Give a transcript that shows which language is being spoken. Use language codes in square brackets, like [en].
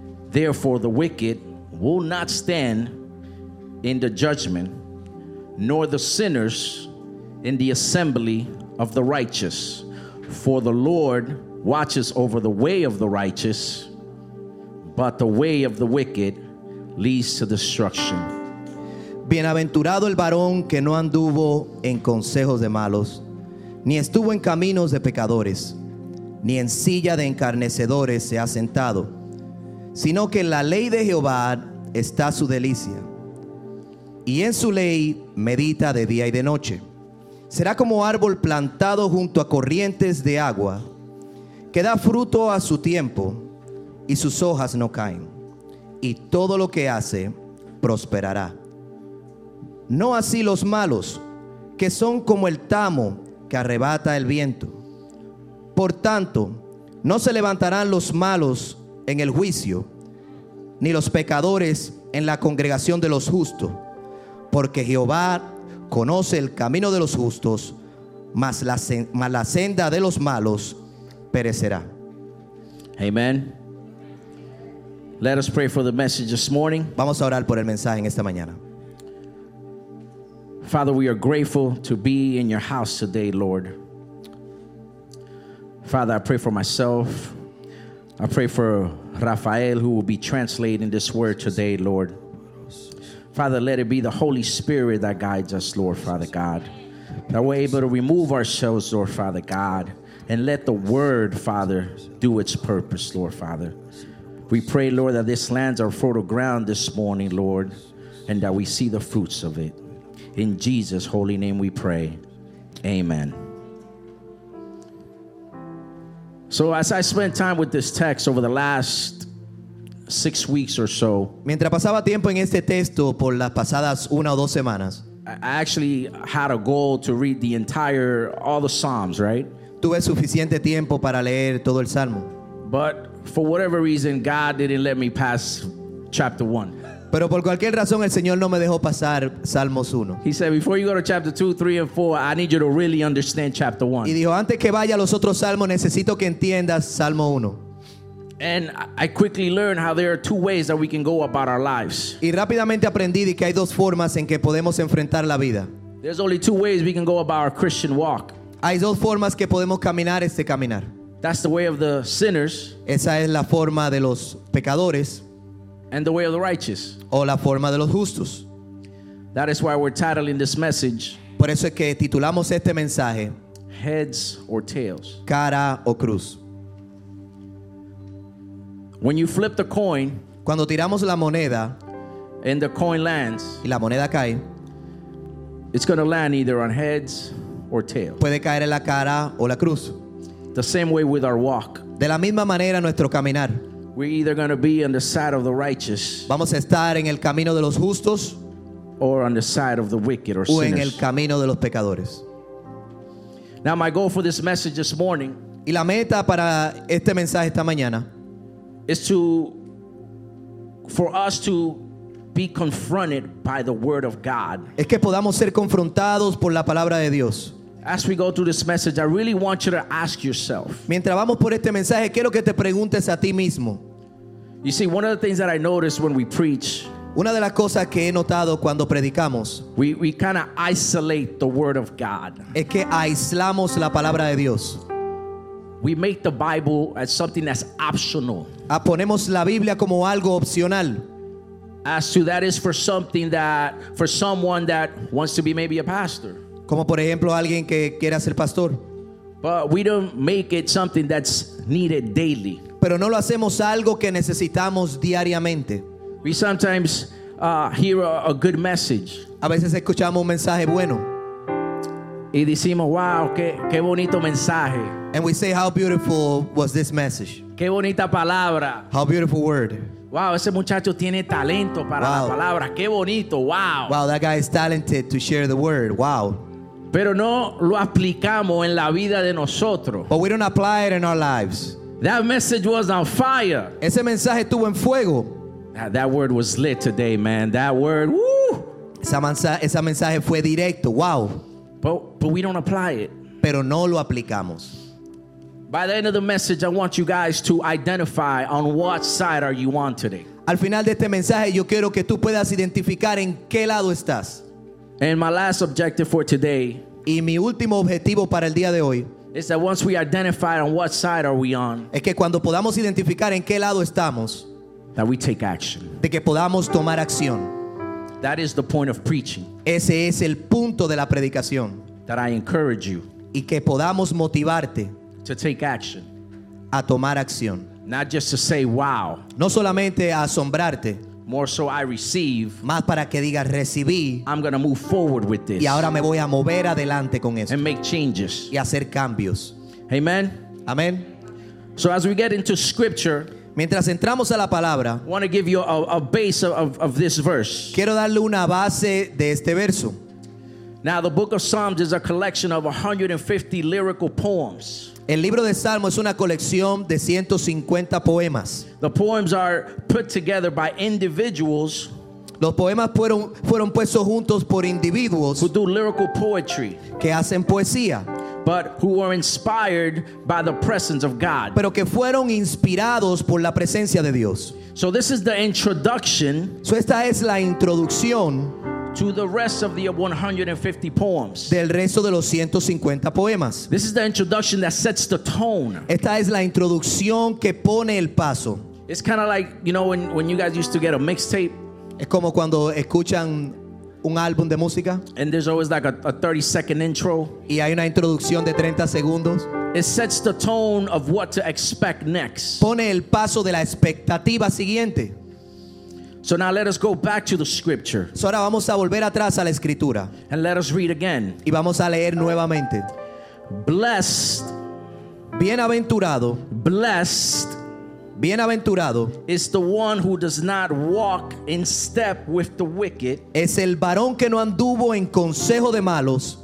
[en] Therefore, the wicked will not stand in the judgment, nor the sinners in the assembly of the righteous. For the Lord watches over the way of the righteous, but the way of the wicked leads to destruction. [es] Bienaventurado el varón que no anduvo en consejos de malos, ni estuvo en caminos de pecadores, ni en silla de encarnecedores se ha sentado, sino que en la ley de Jehová está su delicia, y en su ley medita de día y de noche. Será como árbol plantado junto a corrientes de agua, que da fruto a su tiempo, y sus hojas no caen, y todo lo que hace prosperará. No así los malos, que son como el tamo que arrebata el viento. Por tanto, no se levantarán los malos en el juicio, ni los pecadores en la congregación de los justos, porque Jehová conoce el camino de los justos, mas la senda de los malos perecerá. [en] Amen. Let us pray for the message this morning. [es] Vamos a orar por el mensaje en esta mañana. [en] Father, we are grateful to be in your house today, Lord. Father, I pray for myself. I pray for Rafael, who will be translating this word today, Lord. Father, let it be the Holy Spirit that guides us, Lord, Father God. That we're able to remove ourselves, Lord, Father God. And let the word, Father, do its purpose, Lord, Father. We pray, Lord, that this lands our fertile ground this morning, Lord. And that we see the fruits of it. In Jesus' holy name we pray. Amen. So as I spent time with this text over the last 6 weeks or so, [es] mientras pasaba tiempo en este texto por las pasadas una o dos semanas, [en] I actually had a goal to read all the Psalms, right? [es] Tuve suficiente tiempo para leer todo el Salmo. [en] But for whatever reason, God didn't let me pass chapter 1. [es] Pero por cualquier razón el Señor no me dejó pasar Salmos 1. [en] He said, before you go to chapter 2, 3, and 4, I need you to really understand chapter 1. [es] Y dijo, antes que vaya a los otros Salmos, necesito que entiendas Salmo 1. [en] And I quickly learned how there are two ways that we can go about our lives. [es] Y rápidamente aprendí de que hay dos formas en que podemos enfrentar la vida. [en] There's only two ways we can go about our Christian walk. [es] Hay dos formas que podemos caminar este caminar. [en] That's the way of the sinners. [es] Esa es la forma de los pecadores. [en] And the way of the righteous. [es] O la forma de los justos. [en] That is why we're titling this message. [es] Por eso es que titulamos este mensaje. [en] Heads or tails. [es] Cara o cruz. [en] When you flip the coin, [es] cuando tiramos la moneda, [en] and the coin lands, [es] y la moneda cae, [en] it's going to land either on heads or tails. [es] Puede caer en la cara o la cruz. [en] The same way with our walk. [es] De la misma manera nuestro caminar. [en] We're either going to be on the side of the righteous. [es] Vamos a estar en el camino de los justos. [en] Or on the side of the wicked or sinners. [es] O en el camino de los pecadores. [en] Now my goal for this message this morning. [es] Y la meta para este mensaje esta mañana. [en] Is to for us to be confronted by the word of God. [es] Es que podamos ser confrontados por la palabra de Dios. [en] As we go through this message, I really want you to ask yourself. [es] Mientras vamos por este mensaje, quiero que te preguntes a ti mismo. [en] You see, one of the things that I noticed when we preach. [es] Una de las cosas que he notado cuando predicamos. [en] We kind of isolate the word of God. [es] Es que aislamos la palabra de Dios. [en] We make the Bible as something that's optional. [es] Ponemos la Biblia como algo opcional. [en] As to that is for something that for someone that wants to be maybe a pastor. [es] Como por ejemplo alguien que quiera ser pastor. [en] But we don't make it something that's needed daily. [es] Pero no lo hacemos algo que necesitamos diariamente. [en] We sometimes hear a good message. [es] A veces escuchamos un mensaje bueno. Y decimos, wow, qué bonito mensaje. [en] And we say, how beautiful was this message? [es] Qué bonita palabra. [en] How beautiful word. [es] Wow, ese muchacho tiene talento para la palabra. Qué bonito, wow. [en] Wow, that guy is talented to share the word. Wow. [es] Pero no lo aplicamos en la vida de nosotros. [en] But we don't apply it in our lives. That message was on fire. [es] Ese mensaje estuvo en fuego. [en] That word was lit today, man. That word, woo. [es] Ese mensaje fue directo, wow. [en] But we don't apply it. [es] Pero no lo aplicamos. [en] By the end of the message, I want you guys to identify on what side are you on today. [es] Al final de este mensaje, yo quiero que tú puedas identificar en qué lado estás. [en] And my last objective for today. [es] Y mi último objetivo para el día de hoy. [en] Is that once we identify on what side are we on. [es] Es que cuando podamos identificar en qué lado estamos. [en] That we take action. [es] De que podamos tomar acción. [en] That is the point of preaching. [es] Ese es el punto de la predicación. [en] That I encourage you. [es] Y que podamos motivarte. [en] To take action. [es] A tomar acción. [en] Not just to say wow. [es] No solamente a asombrarte. [en] More so I receive. [es] Más para que digas recibí. [en] I'm going to move forward with this. [es] Y ahora me voy a mover adelante con esto. [en] And make changes. [es] Y hacer cambios. [en] Amen. Amen. So as we get into scripture. [es] Mientras entramos a la palabra. [en] I want to give you a base of this verse. [es] Quiero darle una base de este verso. [en] Now the book of Psalms is a collection of 150 lyrical poems. [es] El libro de Salmo es una colección de 150 poemas. [en] The poems are put together by individuals. [es] Los poemas fueron puestos juntos por individuos. [en] Who do lyrical poetry. [es] Que hacen poesía. [en] But who are inspired by the presence of God. [es] Pero que fueron inspirados por la presencia de Dios. [en] So this is the introduction. [es] So esta es la introducción. [en] To the rest of the 150 poems. [es] Del resto de los 150 poemas. [en] This is the introduction that sets the tone. [es] Esta es la introducción que pone el paso. [en] It's kind of like, you know, when you guys used to get a mixtape. [es] Es como cuando escuchan un álbum de música. [en] And there's always like a 30-second intro. [es] Y hay una introducción de 30 segundos. [en] It sets the tone of what to expect next. [es] Pone el paso de la expectativa siguiente. [en] So now let us go back to the scripture. [es] So ahora vamos a volver atrás a la escritura. [en] And let us read again. [es] Y vamos a leer nuevamente. [en] Blessed. [es] Bienaventurado. [en] Blessed. [es] Bienaventurado. [en] Is the one who does not walk in step with the wicked. [es] Es el varón que no anduvo en consejo de malos.